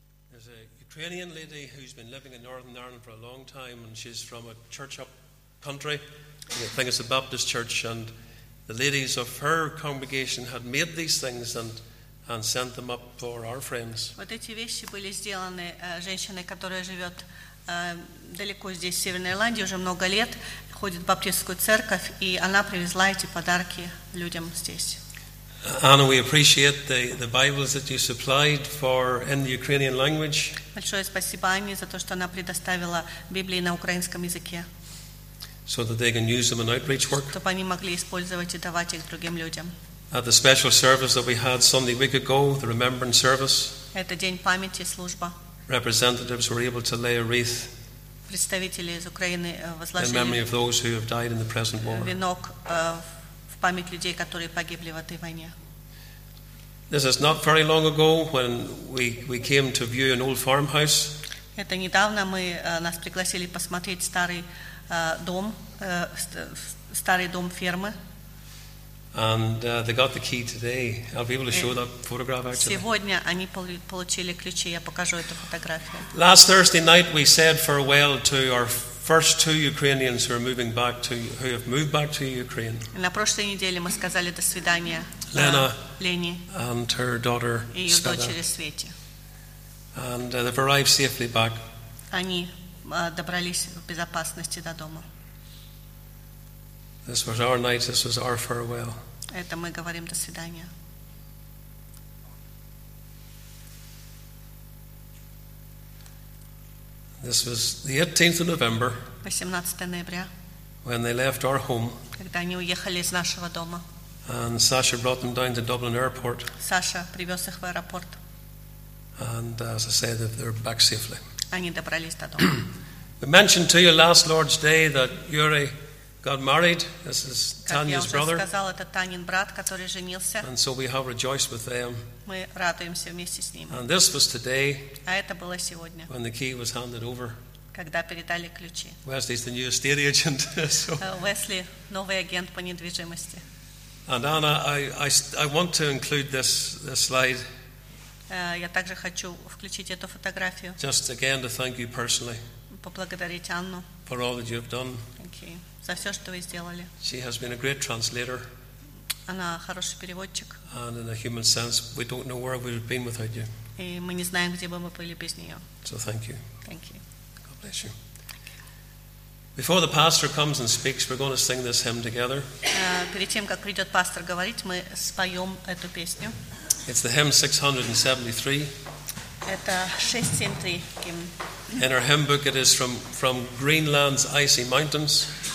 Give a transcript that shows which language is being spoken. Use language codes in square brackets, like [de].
[en] There's a Ukrainian lady who's been living in Northern Ireland for a long time and she's from a church up country. I think it's a Baptist church, and the ladies of her congregation had made these things and sent them up for our friends. [ru] Вот эти вещи были сделаны женщиной, которая живет далеко здесь, в Северной Ирландии, уже много лет, ходит в баптистскую церковь, и она привезла эти подарки людям здесь. [en] Anna, we appreciate the Bibles that you supplied for in the Ukrainian language. [ru] Большое спасибо Анне за то, что она предоставила Библии на украинском языке. [en] So that they can use them in outreach work. [ru] Чтобы они могли использовать и давать их другим людям. [en] At the special service that we had Sunday week ago, the remembrance service. [ru] Это день памяти, служба. [en] Representatives were able to lay a wreath. [ru] Представители из Украины возложили. [en] In memory of those who have died in the present war. [ru] Венок в память людей, которые погибли в этой войне. [en] This is not very long ago when we came to view an old farmhouse. [ru] Это недавно мы нас пригласили посмотреть старый. Дом, старый дом фермы. [en] And they got the key today. I'll be able to show that photograph actually. [ru] Сегодня они получили ключи. Я покажу эту фотографию. [en] Last Thursday night we said farewell to our first two Ukrainians who have moved back to Ukraine. [ru] На прошлой неделе мы сказали до свидания. Лена. Лене. [en] And her daughter. [ru] И ее дочери Свете. [en] And they've arrived safely back. [ru] Они добрались в безопасности до дома. [en] This was our night, this was our farewell. [ru] Это мы говорим до свидания. [en] This was the 18th of November. [ru] 18 ноября. [en] When they left our home. [ru] Когда они уехали из нашего дома. [en] And Sasha brought them down to Dublin Airport. [ru] Саша привез их в аэропорт. [en] And as I said, they're back safely. [ru] Они добрались до дома. [en] We mentioned to you last Lord's Day that Yuri got married. This is Tanya's brother. [ru] Сказал, это Танин брат, который женился. [en] And so we have rejoiced with them. [ru] Мы радуемся вместе с ним. [en] And this was today. [ru] А это было сегодня. [en] When the key was handed over. [ru] Когда передали ключи. [en] Wesley's the new estate agent. So. [ru] Wesley, новый агент по недвижимости. [en] And Anna, I want to include this slide. [ru] Я также хочу включить эту фотографию. [en] Just again to thank you personally. [ru] Поблагодарить Анну. [en] For all that you've done. Thank you. [ru] За все, что вы сделали. [en] She has been a great translator. [ru] Она хороший переводчик. [en] And in a human sense, we don't know where we would have been without you. [ru] И мы не знаем, где бы мы были без нее. [en] So thank you. Thank you. God bless you. Before the pastor comes and speaks, we're going to sing this hymn together. [ru] Перед тем, как придет пастор говорить, мы споем эту песню. [en] It's the hymn 673. [ru] Это 673 гимн. [en] In our hymn book, it is from Greenland's icy mountains.